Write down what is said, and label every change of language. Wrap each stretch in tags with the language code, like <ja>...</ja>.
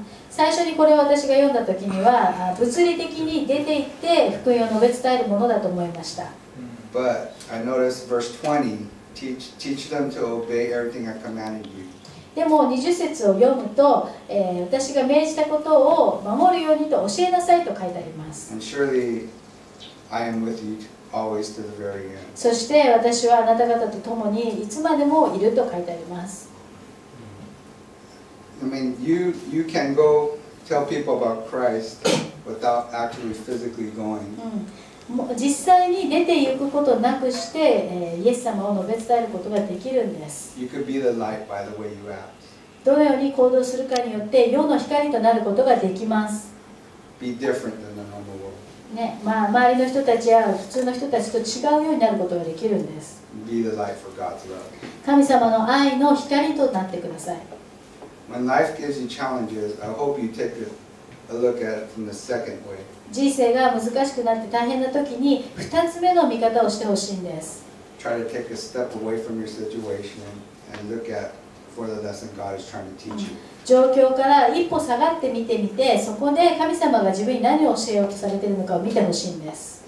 <ja>最初にこれを私が読んだ時には、物理的に出て行って福音を述べ伝えるものだと思いました。</ja> <en>But I noticed verse 20, teach them to obey everything I commanded you.</en> <ja>でも20節を読むと、私が命じたことを守るようにと教えなさいと書いてあります。</ja> <en>And surely I am with you always to the very end.</en> <ja>そして私はあなた方と共にいつまでもいると書いてあります。</ja> <en>I mean, you can go tell people about Christ without actually physically going.</en> <ja>実際に出て行くことなくして、イエス様を述べ伝えることができるんです。</ja> <en>You could be the light by the way you act.</en> <ja>どのように行動するかによって世の光となることができます。</ja> <en>Be different than the normal world.</en> <ja>ね、まあ、周りの人たちや普通の人たちと違うようになることができるんです。</ja> <en>Be the light for God's love.</en> <ja>神様の愛の光となってください。</ja> <en>When life gives you challenges, I hope you take a look at it from the second way.</en> <ja>人生が難しくなって大変な時に2つ目の見方をしてほしいんです。</ja> <en>Try to take a step away from your situation and look at for the lesson God is trying to teach you.</en> <ja>状況から一歩下がってみてみて、そこで神様が自分に何を教えようとされているのかを見てほしいんです。</ja>